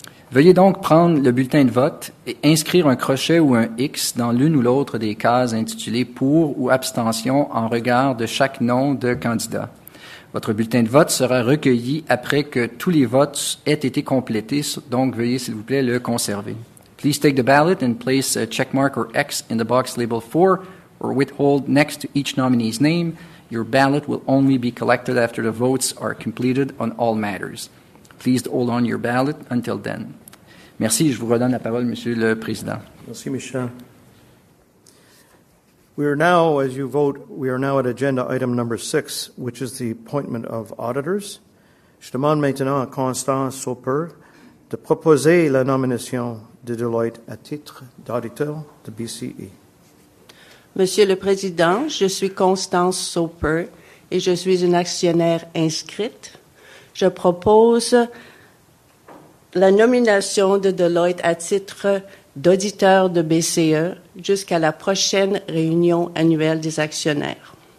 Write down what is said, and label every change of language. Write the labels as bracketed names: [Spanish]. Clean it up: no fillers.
[French] Veuillez donc prendre le bulletin de vote et inscrire un crochet ou un X dans l'une ou l'autre des cases intitulées « pour » ou « abstention » en regard de chaque nom de candidat. Votre bulletin de vote sera recueilli après que tous les votes aient été complétés, donc veuillez, s'il vous plaît, le conserver. [English] Please take the ballot and place a checkmark or X in the box labeled for or withhold next to each nominee's name. Your ballot will only be collected after the votes are completed on all matters. Please hold on your ballot until then. [French] Merci, je vous redonne la parole, Monsieur le Président. Merci, Michel. [English] We are now, as you vote, we are now at agenda item number 6, which is the appointment of auditors. [French] Je demande maintenant à Constance Sauper de proposer la nomination de Deloitte à titre d'auditeur de BCE. Monsieur le Président, je suis Constance Sauper et je suis une actionnaire inscrite. Je propose la nomination de Deloitte à titre d'auditeur de BCE jusqu'à la prochaine réunion annuelle des actionnaires.